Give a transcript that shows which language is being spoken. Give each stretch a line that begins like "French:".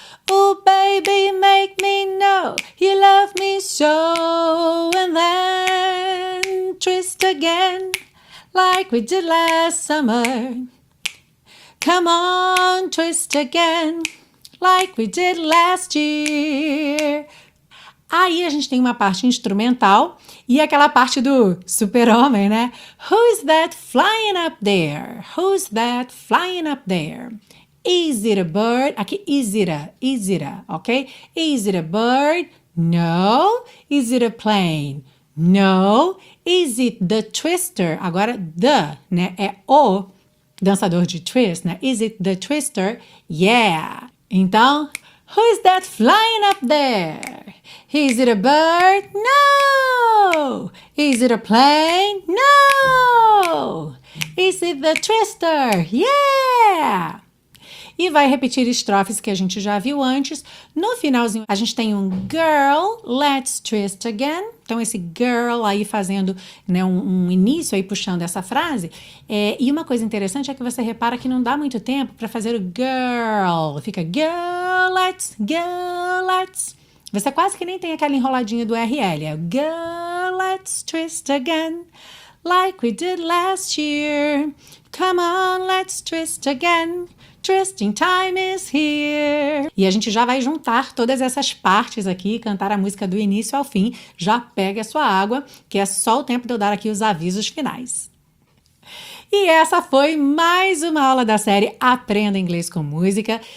English: Oh baby, make me know you love me so, and then twist again like we did last summer. Come on, twist again like we did last year.
Portuguese: Aí a gente tem uma parte instrumental e aquela parte do super-homem, né?
English: Who's that flying up there? Who's that flying up there? Is it a bird? Aqui, is it a, ok? Is it a bird? No. Is it a plane? No. Is it the twister?
Portuguese: Agora, the, né? É o dançador de twist, né?
English: Is it the twister? Yeah. Então, who's that flying up there? Is it a bird? No! Is it a plane? No! Is it the Twister? Yeah!
Portuguese: E vai repetir estrofes que a gente já viu antes. No finalzinho, a gente tem um
English: girl, let's twist again.
Portuguese: Então, esse girl aí fazendo, né, um início aí, puxando essa frase. É, e uma coisa interessante é que você repara que não dá muito tempo para fazer o girl. Fica
English: girl, let's.
Portuguese: Você quase que nem tem aquela enroladinha do RL.
English: É girl, let's twist again, like we did last year. Come on, let's twist again. Twisting time is here.
Portuguese: E a gente já vai juntar todas essas partes aqui, cantar a música do início ao fim. Já pegue a sua água, que é só o tempo de eu dar aqui os avisos finais. E essa foi mais uma aula da série Aprenda Inglês com Música.